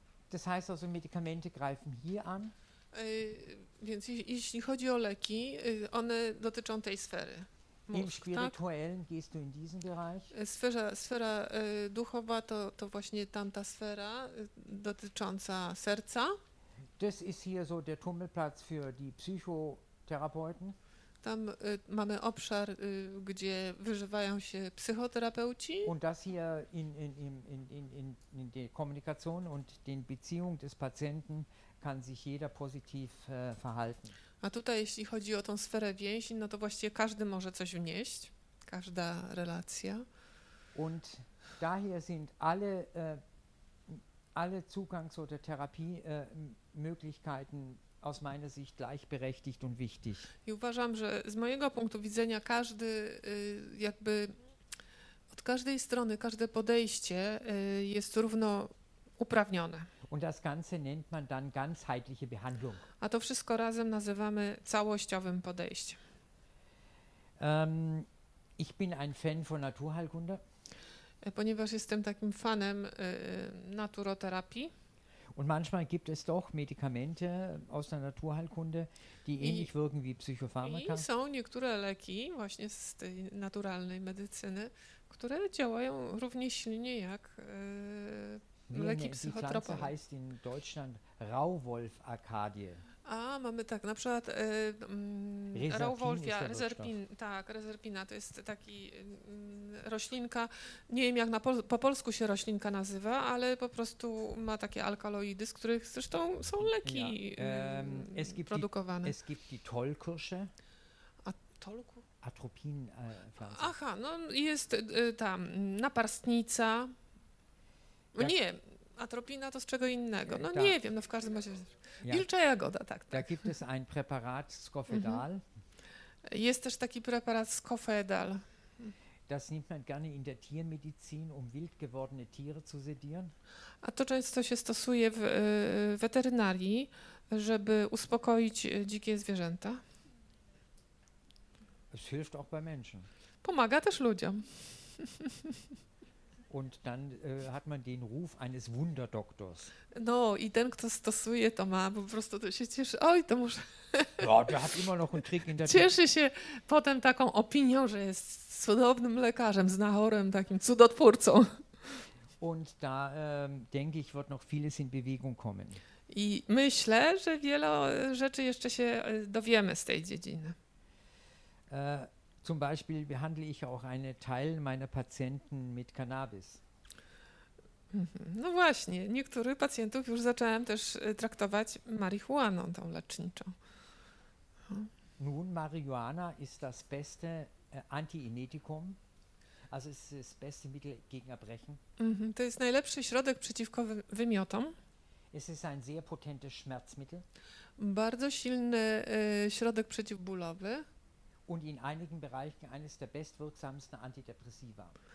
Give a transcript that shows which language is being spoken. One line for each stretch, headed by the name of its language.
German: Das heißt also, Medikamente greifen hier an.
Polish: Więc jeśli chodzi o leki, one dotyczą tej sfery.
German: Im spirituellen gehst du in diesen Bereich.
Polish: Sfera duchowa to właśnie tamta sfera dotycząca serca.
German: Das ist hier so der Tummelplatz für die Psychotherapeuten.
Polish: Tam mamy obszar, gdzie wyżywają się psychoterapeuci.
German: Und das hier in der Kommunikation und den Beziehung des Patienten kann sich jeder positiv verhalten.
Polish: A tutaj, jeśli chodzi o tą sferę więzi, no to właściwie każdy może coś wnieść, każda relacja.
German: Und daher sind alle Zugangs- oder Therapiemöglichkeiten aus meiner Sicht gleichberechtigt und wichtig.
Polish: I uważam, że z mojego punktu widzenia każdy jakby od każdej strony, każde podejście jest równo uprawnione.
German: Und das Ganze nennt man dann ganzheitliche Behandlung.
Polish: A to wszystko razem nazywamy całościowym podejściem.
German: Ich bin ein Fan von Naturheilkunde.
Polish: Ponieważ jestem takim fanem naturoterapii.
German: Und manchmal gibt es doch Medikamente aus der Naturheilkunde, die ähnlich wirken wie Psychopharmaka.
Polish: I są niektóre leki właśnie z tej naturalnej medycyny, które działają równie silnie jak leki psychotropowe.
German: Die Pflanze heißt in Deutschland Rauwolf-Arkadie.
Polish: A mamy tak, na przykład Rauwolfia, Rezerpin, tak, Rezerpina to jest taki roślinka, nie wiem jak po polsku się roślinka nazywa, ale po prostu ma takie alkaloidy, z których zresztą są leki produkowane.
German: Es gibt die Tollkirsche.
Polish: A Tollku?
German: Atropin.
Polish: Aha, no jest tam naparstnica. Nie. Atropina to z czego innego? No da, nie wiem, no w każdym razie. Wilcza jagoda, tak, tak.
German: Da gibt es ein Präparat Scofidal.
Polish: Jest też taki preparat Scofidal.
German: Das nimmt man gerne in der Tiermedizin, um wild gewordene Tiere zu sedieren.
Polish: A to często się stosuje w weterynarii, żeby uspokoić dzikie zwierzęta.
German: Es hilft auch bei Menschen.
Polish: Pomaga też ludziom.
German: Und dann hat man den Ruf eines Wunderdoktors.
Polish: No, i ten, kto stosuje, to ma po prostu, to się cieszy. Oj, to muszę.
German: Ja, der hat immer noch einen Trick in der
Polish: cieszy się potem taką opinią, że jest cudownym lekarzem, znachorem, takim cudotwórcą.
German: Und da denke ich, wird noch vieles in Bewegung kommen.
Polish: I myślę, że wiele rzeczy jeszcze się dowiemy z tej dziedziny.
German: Zum Beispiel behandle ich auch einen Teil meiner Patienten mit Cannabis.
Polish: No właśnie, niektórych pacjentów już zacząłem też traktować marihuaną tą leczniczą.
German: Nun, Marihuana ist das beste Antiemetikum, also ist das beste Mittel gegen Erbrechen.
Polish: To jest najlepszy środek przeciwko wymiotom.
German: Es ist ein sehr potentes Schmerzmittel.
Polish: Bardzo silny środek przeciwbólowy.
German: Und in einigen Bereichen eines der bestwirksamsten Antidepressiva.